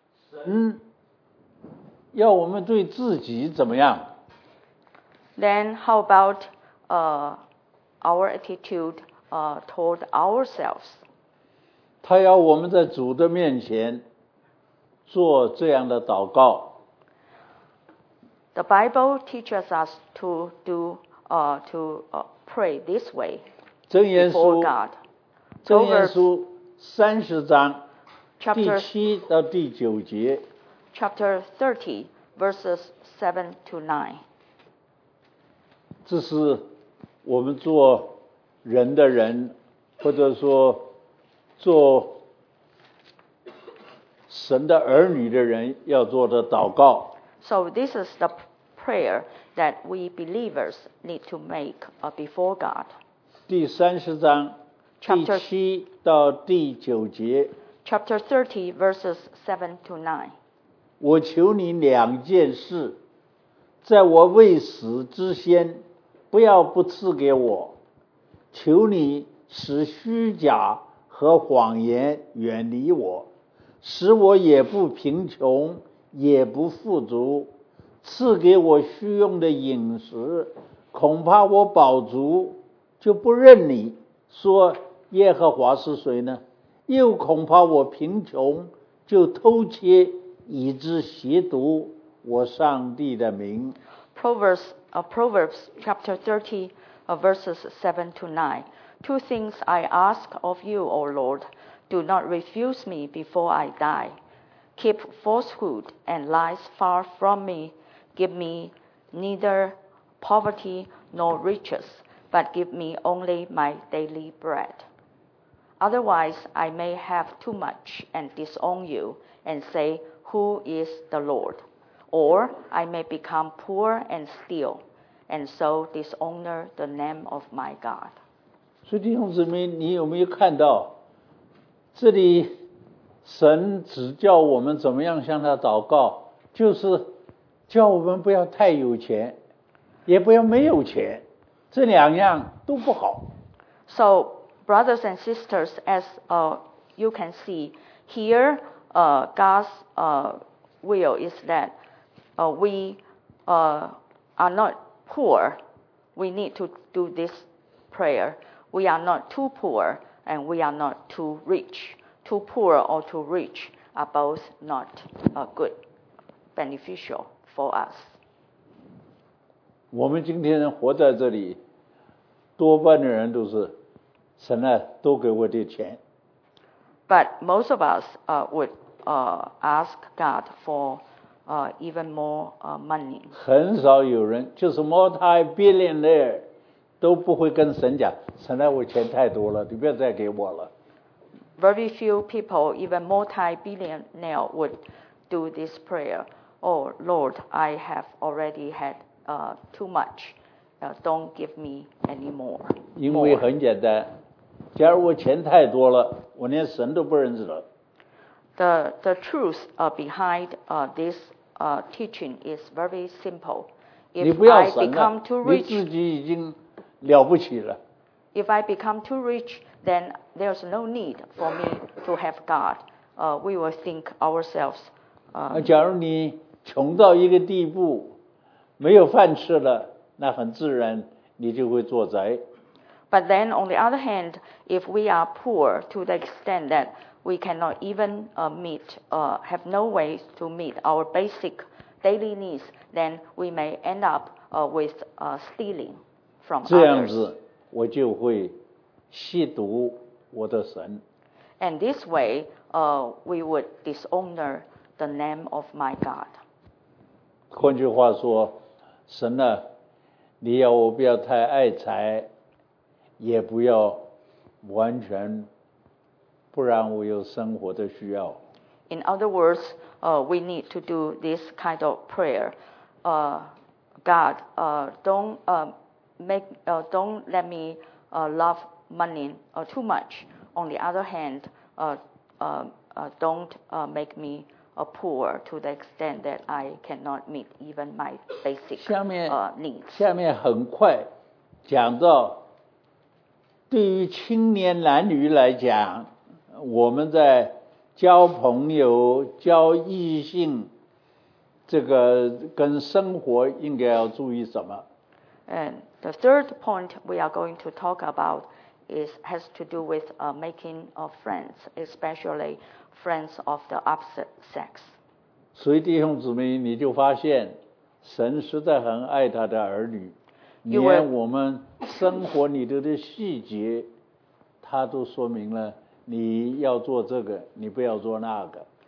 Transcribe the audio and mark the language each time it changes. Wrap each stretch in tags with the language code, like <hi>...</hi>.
<zh>神要我们对自己怎么样？</zh> <en>Then how about our attitude toward ourselves?</en> <zh>他要我们在主的面前做这样的祷告。</zh> <en>The Bible teaches us to do pray this way.</en> <zh>箴言书，箴言书三十章第七到第九节。</zh> <en>Chapter 30, verses 7 to 9.</en> <zh>这是我们做人的人，或者说做神的儿女的人要做的祷告。</zh> <en>So this is the prayer that we believers need to make before God.</en> <zh>第三十章第七到第九节。</zh> <en>Chapter 30, verses 7 to 9.</en> <zh>我求你两件事，在我未死之先，不要不赐给我。求你使虚假和谎言远离我，使我也不贫穷，也不富足，赐给我虚用的饮食，恐怕我饱足。就不认你，说耶和华是谁呢？又恐怕我贫穷，就偷窃，以致亵渎我上帝的名。</zh> <en>Proverbs chapter 30, verses 7 to 9. Two things I ask of you, O Lord. Do not refuse me before I die. Keep falsehood and lies far from me. Give me neither poverty nor riches. But give me only my daily bread. Otherwise, I may have too much and disown you and say, Who is the Lord? Or I may become poor and steal and so dishonor the name of my God.</en> <zh>所以弟兄姊妹，你有没有看到这里神只叫我们怎么样向他祷告，就是叫我们不要太有钱，也不要没有钱。这两样都不好。</zh> <en>So, brothers and sisters, as you can see here, God's will is that we are not poor. We need to do this prayer. We are not too poor and we are not too rich. Too poor or too rich are both not good, beneficial for us.</en> <zh>我们今天活在这里。多半的人都是神啊，多给我点钱。</zh> <en>But most of us would ask God for even more money.</en> <zh>很少有人，就是 multi-billionaire 都不会跟神讲，神啊，我钱太多了，你不要再给我了。</zh> <en>Very few people, even multi-billionaire, would do this prayer. Oh Lord, I have already had too much. Don't give me any more.</en> <zh>因为很简单。假如我钱太多了，我连神都不认识了。</zh> <en>The truth behind this teaching is very simple. If</en> <zh>你不要神了</zh> <en>I become too rich,</en> <zh>你自己已经了不起了。</zh> <en>If I become too rich, then there's no need for me to have God. We will think ourselves.</en> <zh>假如你穷到一个地步，没有饭吃了，那很自然你就会做贼。</zh> <en>But then, on the other hand, if we are poor to the extent that we cannot even have no way to meet our basic daily needs, then we may end up with stealing from others.</en> <zh>这样子，我就会亵渎我的神。</zh> <en>And this way, we would dishonor the name of my God.</en> <zh>换句话说，神啊，你要我不要太爱财。也不要完全，不然我有生活的需要。</zh> <en>In other words, we need to do this kind of prayer. God, don't let me love money too much. On the other hand, don't make me poor to the extent that I cannot meet even my basic needs.</en> <zh>下面很快讲到。对于青年男女来讲，我们在交朋友、交异性，这个跟生活应该要注意什么</zh> <en>？And the third point we are going to talk about has to do with making of friends, especially friends of the opposite sex.</en> <zh>所以弟兄姊妹，你就发现神实在很爱他的儿女。连我们生活里头的细节，他都说明了你要做这个，你不要做那个。</zh>